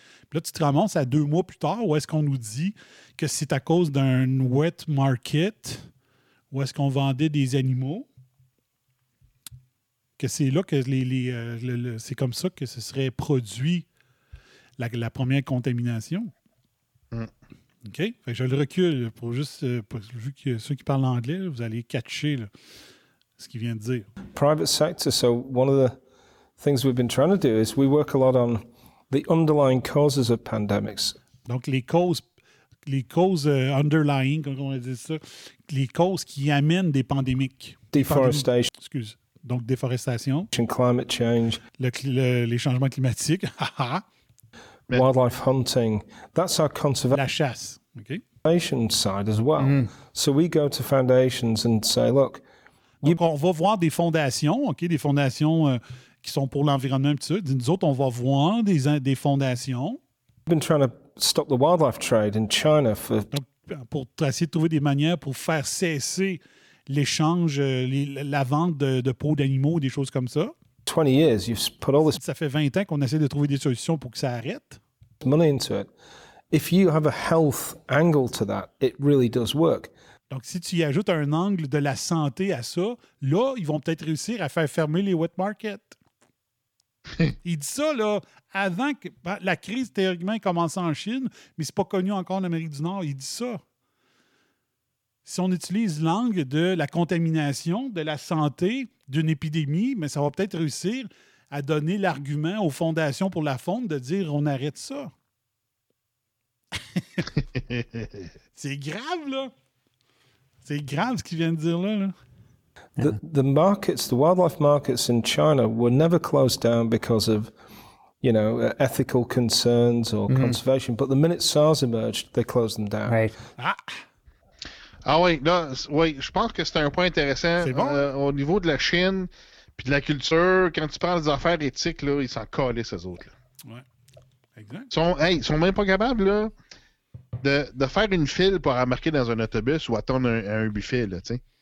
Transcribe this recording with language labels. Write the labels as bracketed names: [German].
[French] Puis là, tu te ramasses à 2 mois plus tard, où est-ce qu'on nous dit que c'est à cause d'un wet market, où est-ce qu'on vendait des animaux, que c'est là que c'est comme ça que ce serait produit la première contamination. Mm. OK? Fait que je le recule pour juste. Vu que ceux qui parlent anglais, vous allez catcher là, ce qu'il vient de dire. [English] Private sector. So, one of the things we've been trying to do is we work a lot on the underlying causes of pandemics. [French] Donc, les causes underlying, comme on va dire ça, les causes qui amènent des pandémiques. [English] Deforestation. [French] Excuse. Donc, déforestation. [English] Climate change. [French] Les changements climatiques. Ha [English] Mais wildlife hunting, that's our conservation. [French] La chasse, OK. [English] Conservation side as well. Mm. So we go to foundations and say, look. [French] Donc, on va voir des fondations, OK, des fondations qui sont pour l'environnement, tout ça. Nous autres, on va voir des fondations. [English] We've been trying to stop the wildlife trade in China for. [French] Donc, pour essayer de trouver des manières pour faire cesser l'échange, la vente de peaux d'animaux, des choses comme ça. [English] 20 years, you've put all this. [French] Ça fait 20 ans qu'on essaie de trouver des solutions pour que ça arrête. [English] Money into it. if you have a health angle to that, it really does work. [French] Donc, si tu y ajoutes un angle de la santé à ça, là, ils vont peut-être réussir à faire fermer les wet markets. Il dit ça, là, avant que la crise théoriquement commence en Chine, mais c'est pas connu encore en Amérique du Nord. Il dit ça. Si on utilise l'angle de la contamination, de la santé, d'une épidémie, mais ça va peut-être réussir à donner l'argument aux fondations pour la fonte de dire on arrête ça. C'est grave, là. C'est grave ce qu'il vient de dire là. [English] The markets, the wildlife markets in China were never closed down because of, you know, ethical concerns or conservation. But the minute SARS emerged, they closed them down. Right. [French] Ah oui, je pense que c'est un point intéressant. C'est bon. Au niveau de la Chine puis de la culture, quand tu parles des affaires éthiques, là, ils s'en collent, ces autres. Oui, exact. Ils sont même pas capables là, de faire une file pour embarquer dans un autobus ou attendre un buffet. Là, t'sais.